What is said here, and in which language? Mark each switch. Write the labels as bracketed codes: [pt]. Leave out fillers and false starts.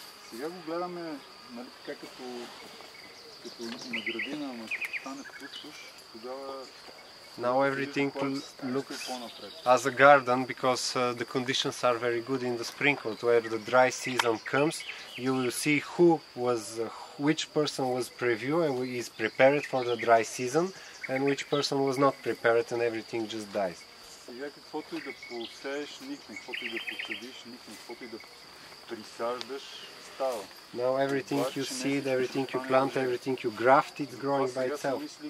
[bg] Сега го гледаме, нали така, като на градина, но стане пускаш, тогава... [en] Now everything looks as a garden, because the conditions are very good in the sprinkled. Where the dry season comes, you will see who was, which person was previewed and is prepared for the dry season, and which person was not prepared, and everything just dies. [bg] Сега каквото и да посееш, никне, каквото и да посадиш, никне, каквото и да присаждаш, става. [en] Now everything you seed, everything you plant, everything you graft, it's growing by itself.